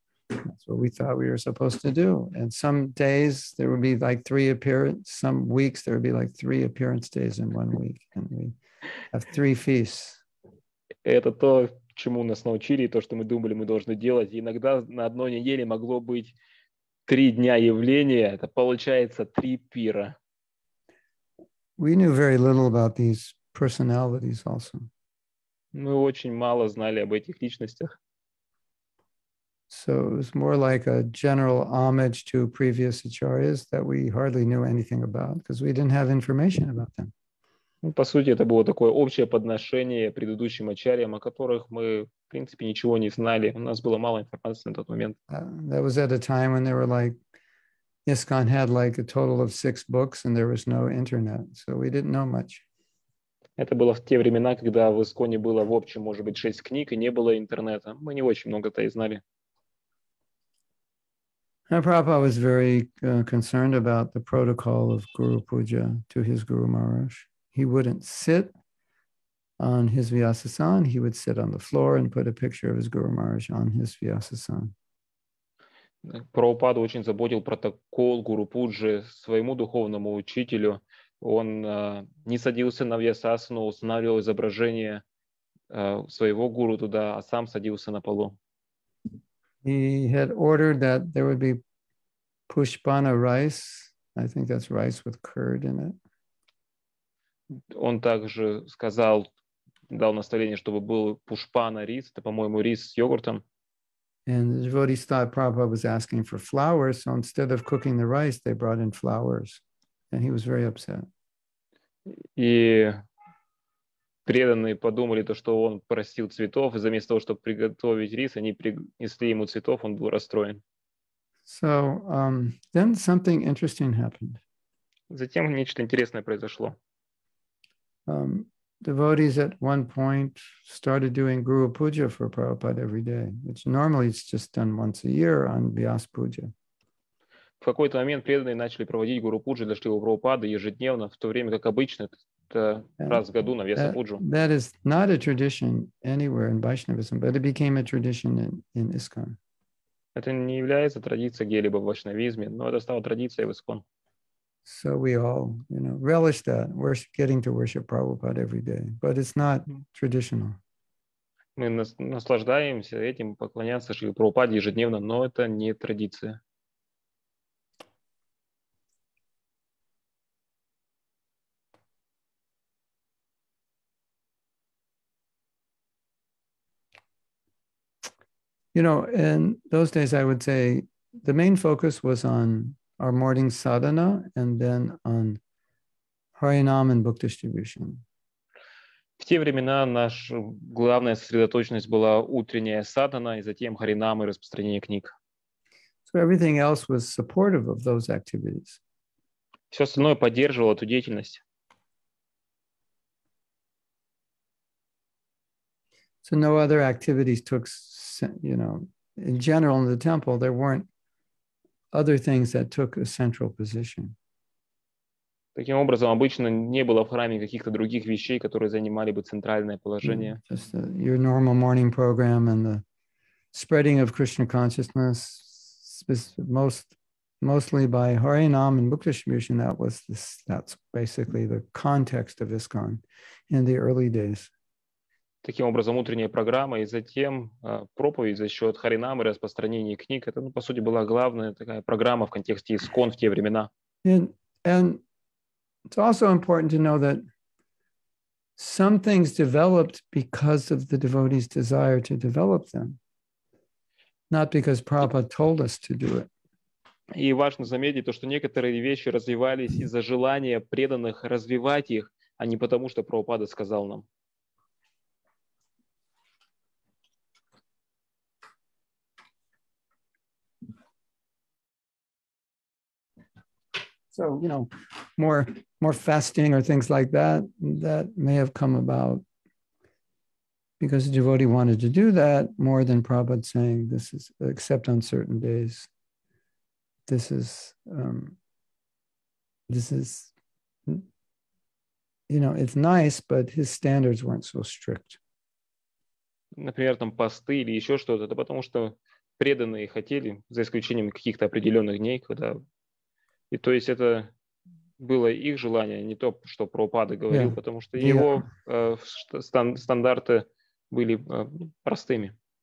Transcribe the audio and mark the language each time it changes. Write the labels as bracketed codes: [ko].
[en] That's what we thought we were supposed to do. And some days there would be like three appearance. Some weeks there would be like three appearance days in one week, and we have three feasts. [ru] Это то, чему нас научили, то, что мы думали, мы должны делать. Иногда на одной неделе могло быть три дня явления, это получается три пира. [en] We knew very little about these personalities also. [ru] Мы очень мало знали об этих личностях. [en] So it was more like a general homage to previous acharyas that we hardly knew anything about, because we didn't have information about them. [ru] Ну, по сути, это было такое общее подношение предыдущим ачарьям, о которых мы, в принципе, ничего не знали. У нас было мало информации на тот момент. [en] That was at a time when there were like, ISKCON had like a total of 6 books and there was no internet, so we didn't know much. [ru] Это было в те времена, когда в ИСКОНе было в общем, может быть, 6 книг и не было интернета. Мы не очень много-то и знали. [en] And Prabhupada was very concerned about the protocol of Guru Puja to his Guru Maharaj. He wouldn't sit on his Vyasasan, he would sit on the floor and put a picture of his Guru Maharaj on his Vyasasan. [ru] Prabhupada очень заботил протокол Гуру Пуджи своему духовному учителю. Он не садился на Вьясасану, устанавливал изображение своего гуру туда, а сам садился на полу. [en] He had ordered that there would be pushpana rice. I think that's rice with curd in it. [ru] Он также сказал, дал наставление, чтобы был пушпана рис. Это, по-моему, рис с йогуртом. [en] And the devotees thought Prabhupada was asking for flour, so instead of cooking the rice, they brought in flowers. And he was very upset. [ru] И преданные подумали, то, что он просил цветов, и вместо того, чтобы приготовить рис, они принесли ему цветов, он был расстроен. [en] So, then something interesting happened. [ru] Затем нечто интересное произошло. [en] Devotees at one point started doing Guru Puja for Prabhupada every day, which normally it's just done once a year on Vyas Puja. [ru] В какой-то момент преданные начали проводить Гуру Пуджу для Шрилы Прабхупады ежедневно, в то время как обычно это раз в году на Вьяса Пуджу. [en] That is not a tradition anywhere in Vaishnavism, but it became a tradition in ISKCON. [ru] Это не является традицией где-либо в вайшнавизме, но это стало традицией в ИСКОН. [en] So we all, you know, relish that. We're getting to worship Prabhupada every day, but it's not traditional. [ru] Мы наслаждаемся этим, поклоняться Шриле Прабхупаде ежедневно, но это не традиция. [en] You know, in those days, I would say the main focus was on our morning sadhana and then on Harinam and book distribution. [ru] В те времена наша главная сосредоточенность была утренняя садхана и затем Харинам и распространение книг. [en] So everything else was supportive of those activities. [ru] Все остальное поддерживало эту деятельность. [en] So no other activities took, you know, in general in the temple, there weren't other things that took a central position. [ru] Таким образом, обычно не было в храме каких-то других вещей, которые занимали бы центральное положение. [en] Just your normal morning program and the spreading of Krishna consciousness, mostly by Harinam and book distribution, that's basically the context of ISKCON in the early days. [ru] Таким образом, утренняя программа и затем проповедь за счет Харинамы, распространения книг. Это, ну, по сути, была главная такая программа в контексте ИСКОН в те времена. [en] And it's also important to know that some things developed because of the devotees' desire to develop them, not because Prabhupada told us to do it. [ru] И важно заметить то, что некоторые вещи развивались из-за желания преданных развивать их, а не потому, что Прабхупада сказал нам. [en] So, you know, more fasting or things like that may have come about because the devotee wanted to do that more than Prabhupada saying this is, except on certain days, this is, it's nice, but his standards weren't so strict. [ru] Например, там посты или еще что-то, это потому что преданные хотели, за исключением каких-то определенных дней, когда... И то есть это было их желание, не то, что Прабхупада говорил, yeah. Потому что его стандарты были простыми.